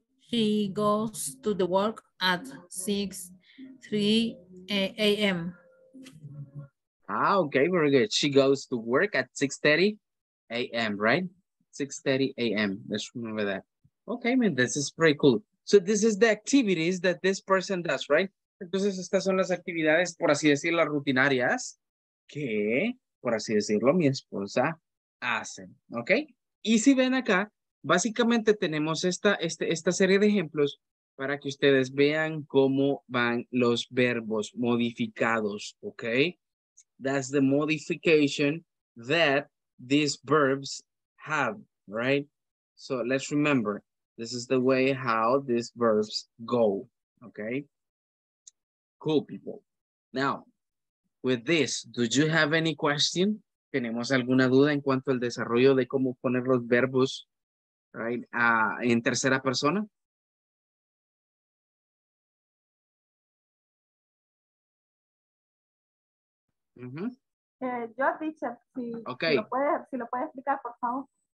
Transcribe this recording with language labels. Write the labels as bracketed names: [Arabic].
[English] She goes to the work at 6:30 a.m. Ah, okay, very good. She goes to work at 6:30 a.m., right? 6:30 a.m., let's remember that. Okay, man, this is pretty cool. So this is the activities that this person does, right? [Spanish] Entonces estas son las actividades, por así decirlo, rutinarias, que, por así decirlo, mi esposa hacen, ¿ok? Y si ven acá, básicamente tenemos esta serie de ejemplos para que ustedes vean cómo van los verbos modificados, ¿ok? [English] That's the modification that these verbs have, right? So let's remember, this is the way how these verbs go, okay? Cool, people. Now, with this, do you have any question? [Spanish] ¿Tenemos alguna duda en cuanto al desarrollo de cómo poner los verbos, right, en tercera persona? Yo, teacher, si lo puede explicar, por favor.